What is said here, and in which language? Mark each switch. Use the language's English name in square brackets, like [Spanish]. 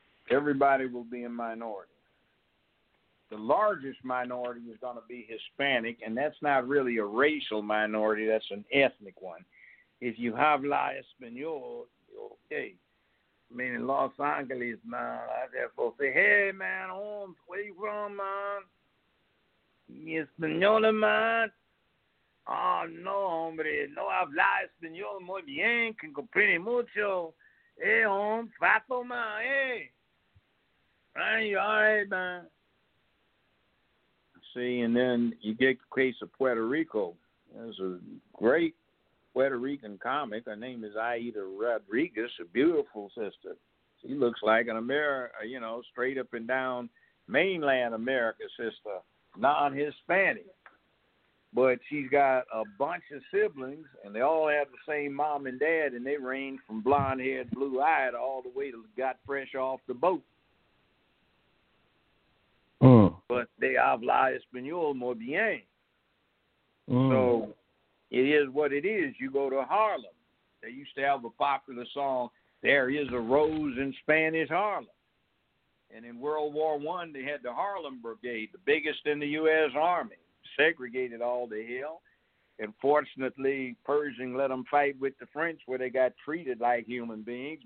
[English] Everybody will be a minority. The largest minority is going to be Hispanic, and that's not really a racial minority. That's an ethnic one. If you have la Espanol, okay. I mean, in Los Angeles, man, I therefore say, hey, man, home, where you from, man? Espanola, man. [Spanish] Oh, no, hombre, no habla español muy bien, que comprende mucho. [English] Hey, hombre, fato, man, hey. Man, you all right, man? See, and then you get the case of Puerto Rico. There's a great Puerto Rican comic. Her name is Aida Rodriguez, a beautiful sister. She looks like an America, you know, straight up and down mainland America sister, non-Hispanic. But she's got a bunch of siblings, and they all have the same mom and dad, and they range from blonde-haired, blue-eyed all the way to got fresh off the boat. But they [Spanish] habla español muy bien. [English] So it is what it is. You go to Harlem. They used to have a popular song, "There is a rose in Spanish Harlem." And in World War I, they had the Harlem Brigade, the biggest in the U.S. Army. Segregated all the hell. And fortunately, Pershing let them fight with the French, where they got treated like human beings.